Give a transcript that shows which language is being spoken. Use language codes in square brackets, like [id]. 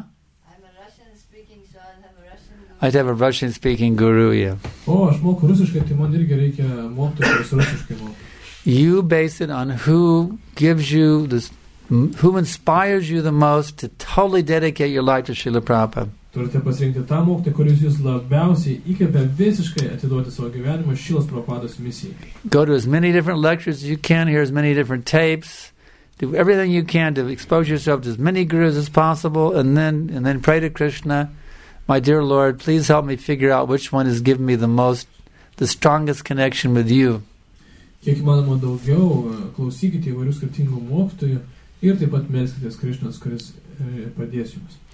[en] I'm a Russian-speaking, so I have a Russian guru. I have to have a Russian-speaking guru, yeah. [lt] Oh, aš moku rusiškai, tai man irgi reikia mokti, kuris rusiškai moku. [en] You base it on who gives you this, who inspires you the most to totally dedicate your life to Srila Prabhupada. [lt] Turite pasirinkti tą mokytį, kuris jūs labiausiai įkvepia visiškai atiduoti savo gyvenimą Šilos Prabhupados misijai. [en] Go to as many different lectures as you can, hear as many different tapes, do everything you can to expose yourself to as many gurus as possible, and then pray to Krishna, my dear Lord, please help me figure out which one has given me the most, the strongest connection with you. [lt] Kiek įmanoma daugiau, klausykite įvairių skirtingų mokytojų ir taip pat melskite Krishnas, kuris padės jums.